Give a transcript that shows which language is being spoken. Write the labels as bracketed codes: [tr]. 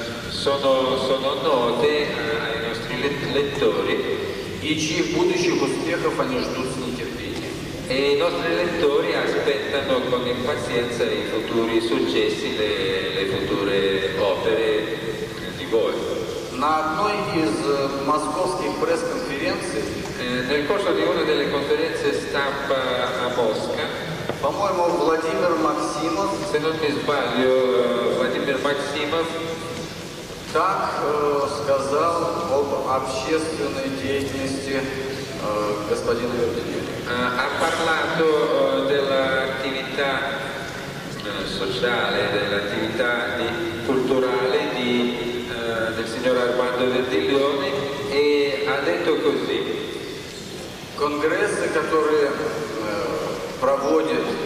[it] Sono note ai nostri lettori. [ru] И чьих будущих успехов они ждут с нетерпением. [it] E i nostri lettori aspettano con impazienza i futuri successi, le future opere di voi. [ru] На одной из московских пресс-конференций, [it] nel corso di una delle conferenze stampa a Mosca, [ru] по-моему, Владимир Максимов, [it] se non mi sbaglio, Владимир Максимов, [ru] так сказал об общественной деятельности господина Вертиглione. [it] Ha parlato dell'attività sociale, dell'attività culturale del signor Armando Vertiglione e ha detto così. [ru] Конгрессы, которые проводят